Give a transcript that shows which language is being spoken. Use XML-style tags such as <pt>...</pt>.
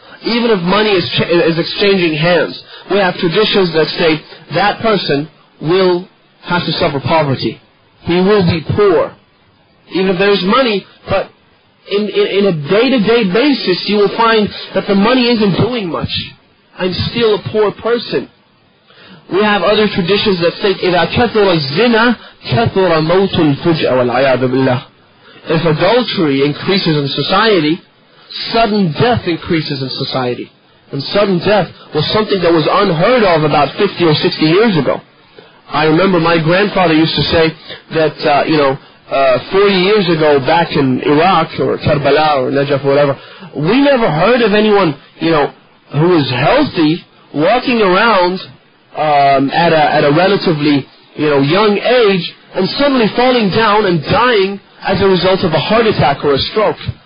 <en>Even if money is exchanging hands. We have traditions that say that person will have to suffer poverty. He will be poor. Even if there is money, but in a day-to-day basis, you will find that the money isn't doing much. I'm still a poor person. We have other traditions that say,</en> <ar>إِذَا كَثُرَ الزِّنَا كَثُرَ مَوْتُ الْفُجْءَ وَالْعَيَادُ بِاللَّهِ.</ar> <en>If adultery increases in society, sudden death increases in society. And sudden death was something that was unheard of about 50 or 60 years ago. I remember my grandfather used to say that, 40 years ago back in Iraq or Karbala or Najaf or whatever, we never heard of anyone, who was healthy walking around at a relatively, young age and suddenly falling down and dying as a result of a heart attack or a stroke.</en>